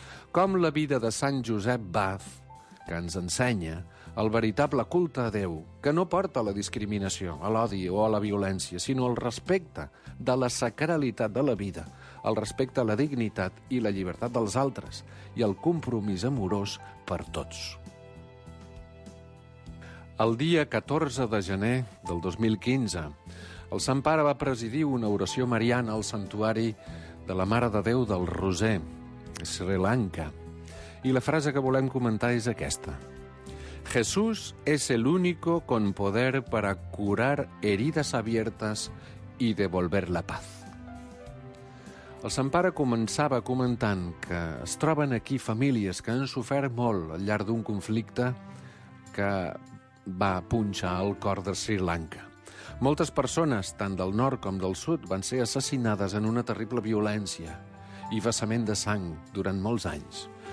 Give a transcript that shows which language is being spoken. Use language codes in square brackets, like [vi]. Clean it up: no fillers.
[ca] Com la vida de Sant Josep Bath, que ens ensenya el veritable culte a Déu, que no porta a la discriminació, a l'odi o a la violència, sinó al respecte de la sacralitat de la vida, al respecte a la dignitat i la llibertat dels altres i el compromís amorós per tots. El dia 14 de gener del 2015, el Sant Pare va presidir una oració mariana al santuari de la Mare de Déu del Roser, Sri Lanka. I la frase que volem comentar és aquesta. [es] Jesús es el único con poder para curar heridas abiertas y devolver la paz. [ca] El Sant Pare començava comentant que es troben aquí famílies que han sofert molt al llarg d'un conflicte que va punxar el cor de Sri Lanka. Moltes persones, tant del nord com del sud, van ser assassinades en una terrible violència i vessament de sang durant molts anys.